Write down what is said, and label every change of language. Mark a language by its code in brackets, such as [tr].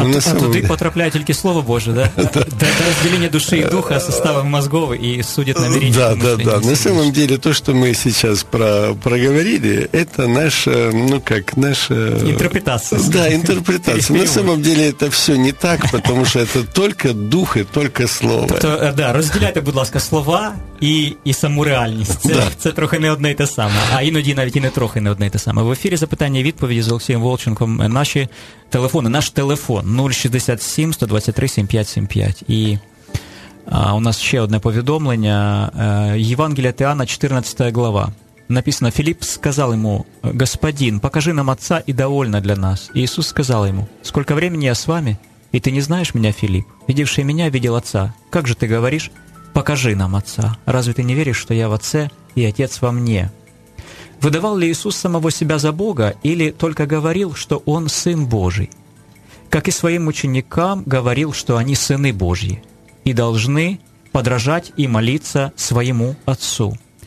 [ru] А тут и потрапляет только Слово Божие, да? Разделение души и духа, состава мозгов и судит намерение. Да, да, да. На самом деле, то, что мы сейчас проговорили, это наша, ну как, наша... Интерпретация. Да, интерпретация. На самом деле, это все не так, потому что это только дух и только Слово. [uk] Тобто, да, розділяйте, будь ласка, слова і саму реальність. Це, да. Це трохи не одне й те саме. А іноді навіть і не трохи не одне й те саме. В ефірі запитання і відповіді з Олексієм Волченком. Наші телефони, наш телефон 067-123-7575. І у нас ще одне повідомлення. Євангелія от Іоанна, 14 глава. Написано, Філіп сказав йому, [ru] «Господин, покажи нам Отца і довольна для нас». [uk] І Ісус сказав йому, [ru] «Сколько времени я с вами?» И ты не знаешь меня, Филипп? Видевший меня, видел Отца. Как же ты говоришь? Покажи нам Отца. Разве ты не веришь, что я в Отце и Отец во мне? Выдавал ли Иисус самого себя за Бога или только говорил, что Он Сын Божий? Как и своим ученикам говорил, что они сыны Божьи и должны подражать и молиться своему Отцу.